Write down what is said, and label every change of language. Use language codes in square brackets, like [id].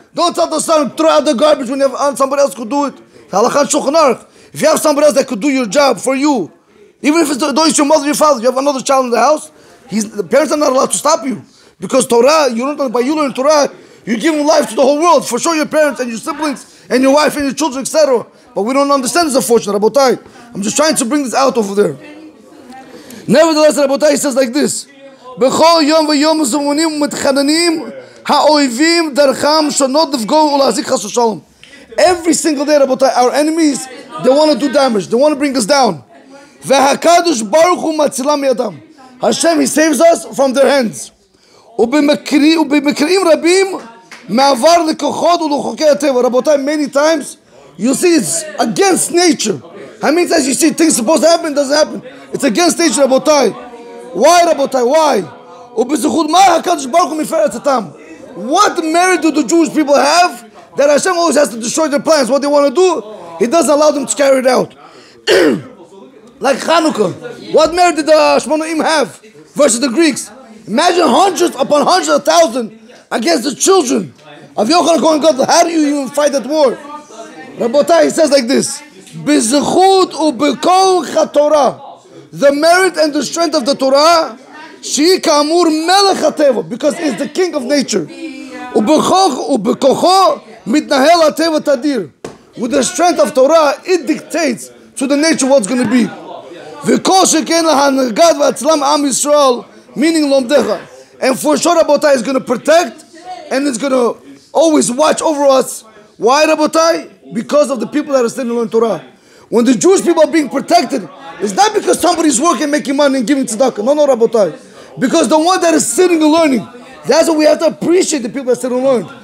[en] Don't tell the son, throw out the garbage when you have somebody else could do it. If you have somebody else that could do your job for you, even if it's your mother, your father, you have another child in the house, the parents are not allowed to stop you. Because Torah, you don't know, by you learning Torah, you're giving life to the whole world. For sure, your parents and your siblings and your wife and your children, etc. But we don't understand this, unfortunately, Rabotai. I'm just trying to bring this out over there. Nevertheless, Rabotai says like this, [he] בכל יום ויום זמונים ומתחננים האויבים דרכם שונות לפגוע ולהזיק חס ושלום. [en] Every single day, רבותיי, our enemies, they want to do damage. They want to bring us down. [he] והקדוש ברוך הוא מצילם מידם. [en] Hashem, he saves us from their hands. [he] ובמקרים רבים מעבר לכוחות ולחוקי הטבע. [en] רבותיי, many times, you see it's against nature. That means as you see things supposed to happen, doesn't happen. It's against nature, רבותיי. Why, רבותיי? Why? [he] ובזכות מה הקדוש ברוך הוא מפר את הטעם? [en] What merit do the Jewish people have that Hashem always has to destroy their plans? What they want to do, he doesn't allow them to carry it out. Like Hanukkah. What merit did the Shmonaim have versus the Greeks? Imagine hundreds upon hundreds of thousands against the children of Yochanan Kohen Gadol. How do you even fight that war? Rabotai, he says like this. [he] Bizechut ubekol ha-Torah. [en] The merit and the strength of the Torah, [he] שהיא כאמור מלך הטבע, [en] because it's the king of nature. [he] ובכוחו מתנהל הטבע תדיר. [en] With the strength of Torah, it dictates to the nature what's going to be. [he] וכל שכן להנגד והצלם עם ישראל, meaning לומדך. [en] And for sure, רבותיי, it's going to protect, and it's going to always watch over us. Why, רבותיי? Because of the people that are standing on Torah. When the Jewish people are being protected, it's not because somebody's working, making money, and giving tzedakah. No, רבותיי. Because the one that is sitting and learning, that's what we have to appreciate, the people that sit and learn.